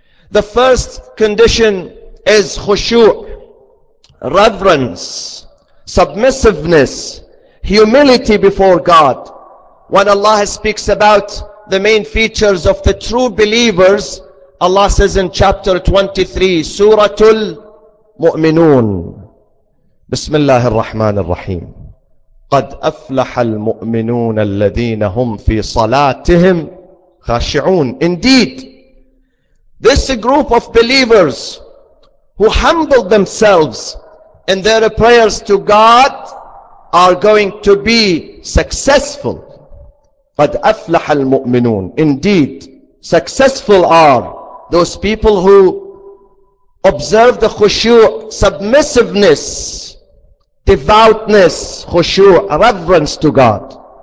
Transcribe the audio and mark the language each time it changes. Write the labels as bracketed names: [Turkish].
[English] The first condition is khushu', reverence, submissiveness, humility before God. When Allah speaks about the main features of the true believers, Allah says in chapter 23, Suratul Mu'minun. [Arabic] Bismillah ar-Rahman ar-Rahim. قد أفلح المؤمنون الذين هم في صلاتهم خاشعون. [English] Indeed, this group of believers who humbled themselves in their prayers to God are going to be successful. [Arabic] قد أفلح المؤمنون. [English] Indeed, successful are those people who observe the khushu, submissiveness, devoutness, khushu, reverence to God.